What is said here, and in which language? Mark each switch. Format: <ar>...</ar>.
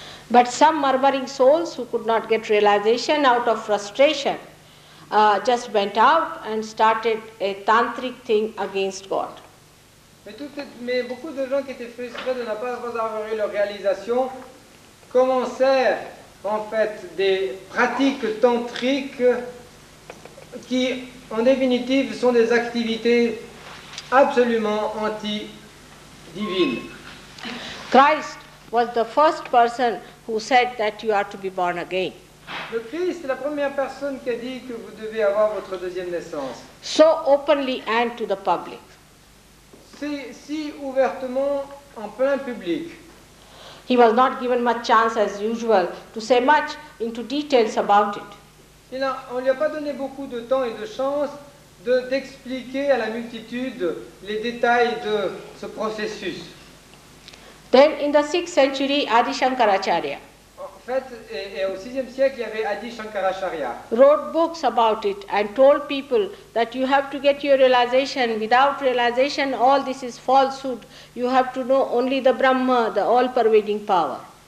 <en>But some murmuring souls who could not get realization out of frustration just went out and started a tantric thing against God.</en> <fr>Mais beaucoup de gens qui étaient frustrés de ne pas avoir eu leur réalisation commencèrent en fait des pratiques tantriques qui en définitive sont des activités absolument anti-divines.</fr> <en>Christ was the first person who said that you are to be born again.</en> <fr>Le Christ est la première personne qui a dit que vous devez avoir votre deuxième naissance.</fr> <en>So openly and to the public.</en> <fr>Si ouvertement en plein public.</fr> <en>He was not given much chance as usual to say much into details about it.</en> <fr>On lui a pas donné beaucoup de temps et de chance d'expliquer à la multitude les détails de ce processus.</fr> <en>Then in the 6th century, Adi Shankaracharya.</en> <fr>En fait, et au 6e siècle, il y avait Adi Shankaracharya.</fr> <en>Wrote books about it and told people that you have to get your realization. Without realization, all this is falsehood. You have to know only the Brahma, the all-pervading power.</en>